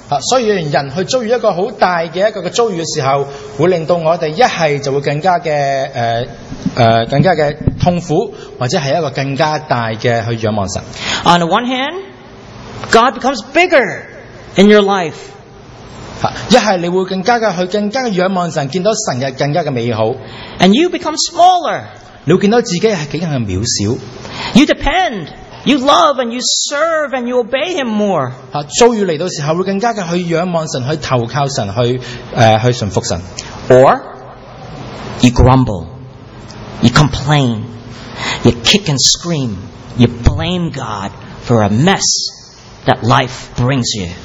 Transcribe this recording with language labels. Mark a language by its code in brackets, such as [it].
[yue] 所以人去遭遇一个好大的一个遭遇的时候，会令到我哋一系就会更加嘅痛苦，或者系一个更加大嘅去仰望神。 [en] On the one hand, God becomes bigger in your life. [yue] 一系你会更加嘅去更加嘅仰望神，见到神嘅更加嘅美好。 [en] And you become smaller. [yue] 你会见到自己系几咁嘅渺小。 [en] You depend, you love, and you serve, and you obey Him more. [yue] 遭遇嚟到时候会更加嘅去仰望神，去投靠神，去去顺服神。 [en] Or you grumble, you complain, you kick and scream, you blame God for a mess that life brings you.